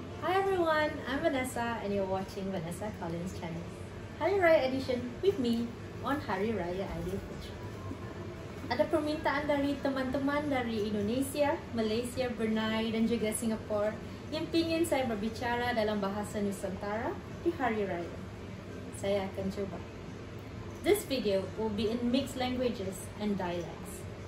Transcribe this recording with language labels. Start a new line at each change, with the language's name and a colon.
English: everyone, I'm Vanessa and you're watching Vanessa Collins' channel. Hari Raya Edition with me on Hari Raya Edition.
Indonesian: Ada permintaan dari teman-teman dari Indonesia, Malaysia, Brunei dan juga Singapore yang ingin saya berbicara dalam bahasa Nusantara di Hari Raya. Saya akan coba.
English: This video will be in mixed languages and dialects.